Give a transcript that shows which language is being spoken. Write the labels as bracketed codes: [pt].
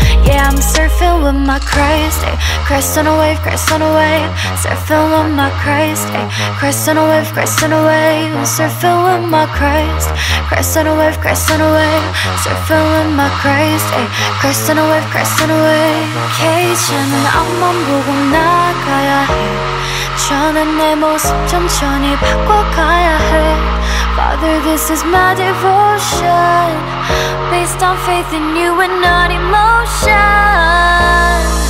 [en] Yeah, I'm surfing with my Christ, ay. Christ on a wave, Christ on a wave. Surfing with my Christ, ay. Christ on a wave, Christ on a wave. Surfing with my Christ. Christ on a wave, Christ on a wave. Surfing with my Christ, ay. Christ on a wave, Christ on a wave. [ko] 케이지는 앞만 보고 나가야 해. 저는 내 모습 천천히 바꿔가야 해. [en] Father, this is my devotion, based on faith in you and not emotion.